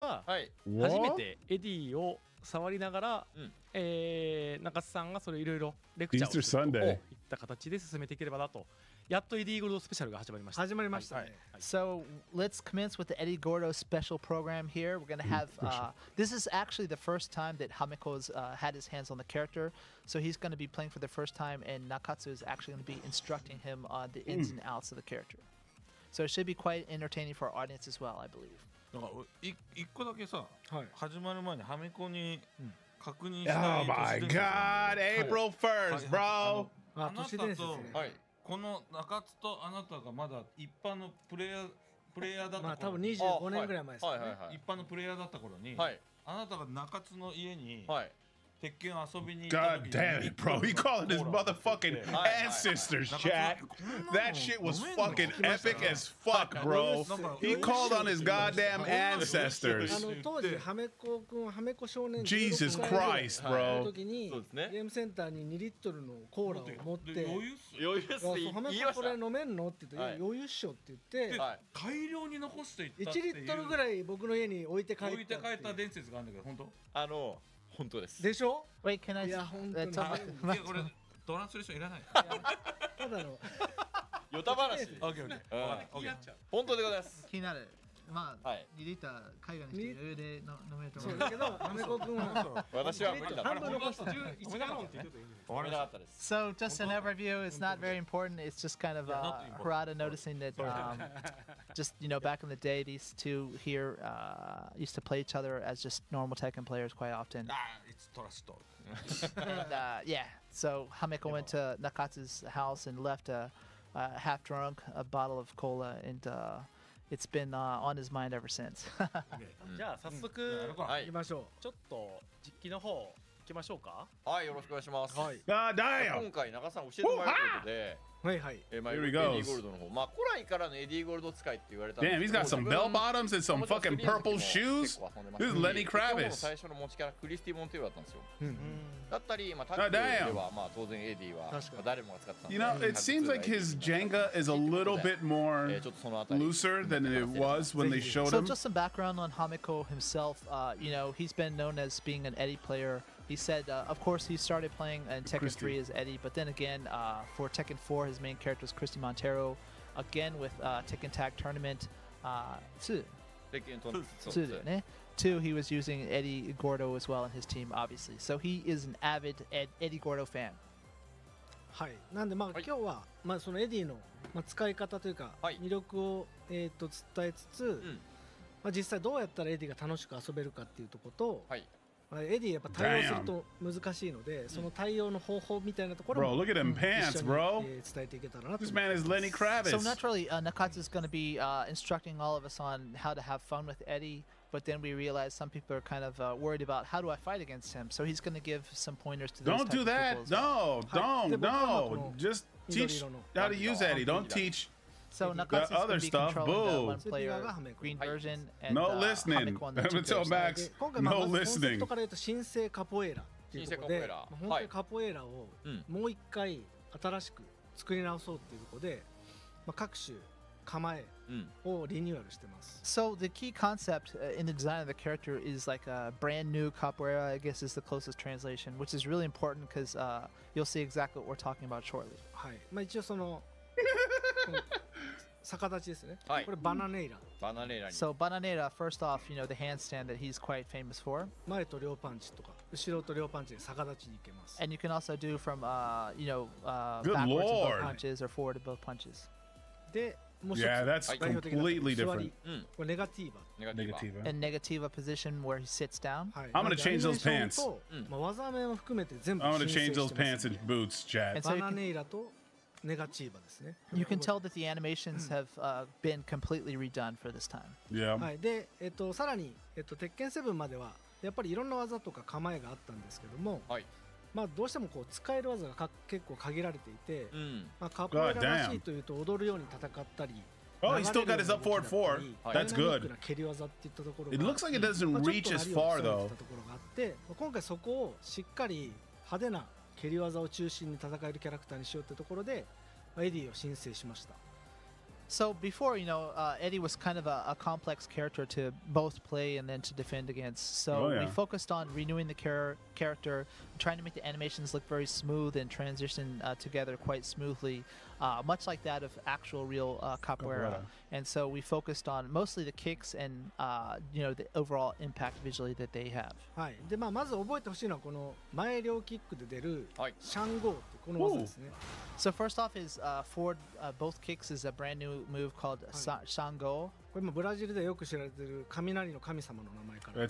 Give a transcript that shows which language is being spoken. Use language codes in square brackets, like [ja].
[ja] 初めてエディを触りながら、はい、中津さんがそれいろいろレクチャーをするといった形で進めていければなと。やっとエディゴルドスペシャルが始まりました。始まりましたね、はい、 [en] So let's commence with the Eddy Gordo special program here. We're gonna have、this is actually the first time that Hameko's、had his hands on the character. So he's gonna be playing for the first time, and Nakatsu is actually gonna be instructing him on the ins and outs of the character. So it should be quite entertaining for our audience as well, I believe. [ja] なんか一個だけさ、はい、始まる前にハメコに確認しない。 [en] Oh my god! April 1st, bro! [ja] あなたと、この中津とあなたがまだ一般のプレイヤーだった頃、まあ、多分25年ぐらい前ですかね、はい、一般のプレイヤーだった頃に、はい、あなたが中津の家に、はい、鉄拳遊びに行った時に [en] God damn it, bro! He called his motherfucking ancestors, chat! That shit was fucking epic as fuck, bro! He called on his goddamn ancestors! [ja] 当時、ハメコ君、ハメコ少年 [en] Jesus Christ, bro! [ja] の時に、ゲームセンターに2リットルのコーラを持って余裕っす余裕っす、ハメコこれ飲めんのって言って、余裕っしょって言って大量に残していったっていう1リットルぐらい僕の家に置いて帰った置いて帰った伝説があるんだけど、本当あの本当です。でしょ [en] Wait, can I... [ja] いや、ほんとに。いや、これ、トランスレーションいらない。ただの。ヨタ話。オッケーオッケー。 気になっちゃう。本当でございます。気になる。まあ、はい、2リッター、海外の人に余裕で飲めると思うんだけど、アメコ君は。私は無理だ。半分残した。 1カロンって言うといいんじゃないかったです。 [en] So, just an overview, it's not very important. It's just kind of Harada noticing that, just, you know, back in the day, these two here used to play each other as just normal Tekken players quite often. Ah, it's trust. And, yeah, so Hameko went to Nakatsu's house and left a half-drunk a bottle of cola, and it's been on his mind ever since. Okay. [ja] じゃあ早速行きましょう。ちょっと実機の方行きましょうか。はい、よろしくお願いします。はい。ああ、だよ。今回中さん教えてもらったことで。はいはい。 [en] Here we go. [ja] エディゴルドの方、まあ古来からのエディゴルド使いって言われた。 [en] Damn, he's got some bell bottoms and some fucking purple shoes. This is Lenny Kravitz. [ja] 最初の持ちキャラクリスティモンティーだったんですよ。だったり、まあタッグではまあ当然エディは誰もが使ってた。 [en] You know, it seems like his Jenga is a little bit more looser than it was when they showed him. So just some background on Hameko himself. You know, he's been known as being an Eddy player. He said, of course, he started playing in Tekken 3 as Eddy, but then again, for Tekken 4, his main character was Christy Montero. Again, with Tekken Tag Tournament 2, he was using Eddy Gordo as well in his team, obviously. So he is an avid Eddy Gordo fan. [ja] はい、なんでまあ今日はまあそのエディの使い方というか魅力を伝えつつ、まあ実際どうやったらエディが楽しく遊べるかっていうところと、エディやっぱ対応すると難しいので、その対応の方法みたいなところも一緒に伝えていけたらなと思います。 [en] This man is Lenny Kravitz. So naturally, Nakatsu is going to be instructing all of us on how to have fun with Eddy. But then we realize some people are kind of worried about how do I fight against him. So he's going to give some pointers to Don't do that. No, don't, no. Just teach how to use Eddy. Don't teach. So Nakatsu is going to be controlling the one player green version and no listening. I'm going to tell Max. No listening. [ja] コンセプトから言うと新生カポエラっていうことで、本当にカポエラをもう一回新しく作り直そうっていうことで、まあ各種構えをリニューアルしてます。 [en] So the key concept in the design of the character is like a brand new capoeira. I guess is the closest translation, which is really important because you'll see exactly what we're talking about shortly. [ja] はい。まあ一応その逆立ちですね。はい、これバナネイラ。バナネイラに。 [en] So Bananeira, first off, you know the handstand that he's quite famous for. [ja] 前と両パンチとか、後ろと両パンチで逆立ちに行けます。 [en] And you can also do from, you know, backwards to both punches or forward to both punches. [ja] で、もし、 [en] yeah, that's completely different. [ja] これネガティーバ。ネガティーバ。 [en] And negativa position where he sits down. I'm gonna change those pants. [ja] まあ技名も含めて全部。 [en] I'm gonna change those pants and boots, Jack. [ja] バナネイラと。ネガチーバですね。 [en] You can tell that the animations have been completely redone for this time. Yeah. [ja] はい。で、さらに、鉄拳7まではやっぱりいろんな技とか構えがあったんですけども、はい。まあどうしてもこう使える技が結構限られていて、まあカポエラらしいというと踊るように戦ったり、 [en] Oh, he still got his up forward four. That's good. It looks like it doesn't reach as far though. [ja] たところがあって、今回そこをしっかり派手な蹴り技を中心に戦えるキャラクターにしようってところでエディを申請しました。 [en] So before, you know, Eddy was kind of a complex character to both play and then to defend against. So oh, yeah. we focused on renewing the character, trying to make the animations look very smooth and transition together quite smoothly, much like that of actual real capoeira. And so we focused on mostly the kicks and, you know, the overall impact visually that they have. Hi. [ja] で、まあ、まず覚えてほしいのはこの前両キックで出るシャンゴーというこの技ですね。 [en] So first off is forward both kicks is a brand new move called Shango. [ja] これもブラジルでよく知られてる雷の神様の名前から。